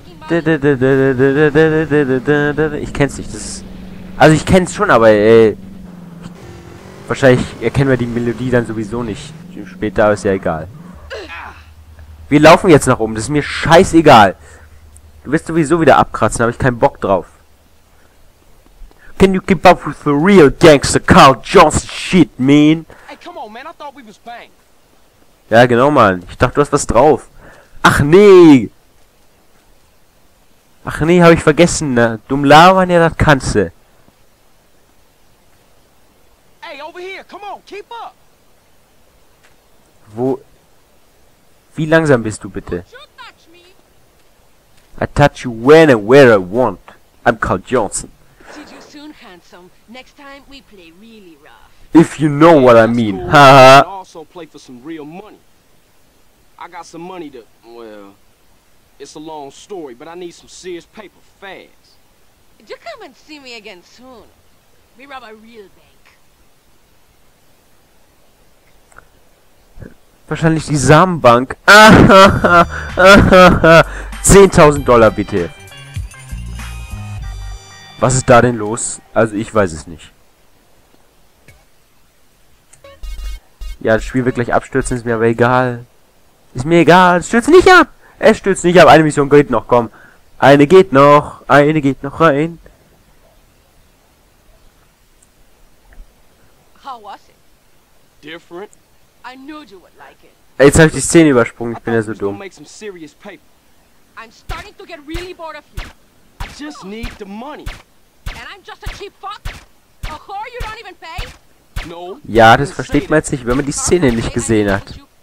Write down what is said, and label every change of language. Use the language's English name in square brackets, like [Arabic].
[German] Ich kenn's nicht, das ist... Also ich kenn's schon, aber wahrscheinlich erkennen wir die Melodie dann sowieso nicht. Später ist ja egal. Wir laufen jetzt nach oben, das ist mir scheißegal. Du wirst sowieso wieder abkratzen, da habe ich keinen Bock drauf. [English] Can you keep up with the real gangster Carl Johnson shit, man? Hey, come on, man, I thought we was banged. [German] Ja, genau, Mann. Ich dachte, du hast was drauf. Ach, nee. Ach, nee, habe ich vergessen, ne? Dumm labern, ja, das kannst du. [English] Hey, over here. Come on, keep up. [German] Wo? Wie langsam bist du, bitte? [English] I touch you when and where I want. I'm Carl Johnson. See you soon, handsome. Next time we play really rough. If you know what I mean. Haha. Also play for some real money. I got some money to... Well, it's a long story, but I need some serious paper fast. You come and see me again soon. We rob a real bank. [German] Wahrscheinlich die Samenbank. $10,000 bitte. Was ist da denn los? Also ich weiß es nicht. Ja, das Spiel wird gleich abstürzen, ist mir aber egal. Ist mir egal, es stürzt nicht ab. Es stürzt nicht ab, eine Mission geht noch, komm. Eine geht noch rein. [English] How was it? Different. I knew you would like it. [German] Ey, jetzt habe ich die Szene übersprungen, ich bin ja so dumm. [English] Make some serious paper. I'm starting to get really bored of you. I just need the money. And I'm just a cheap fuck? A whore you don't even pay? [German] Ja, das versteht man jetzt nicht, wenn man die Szene nicht gesehen hat.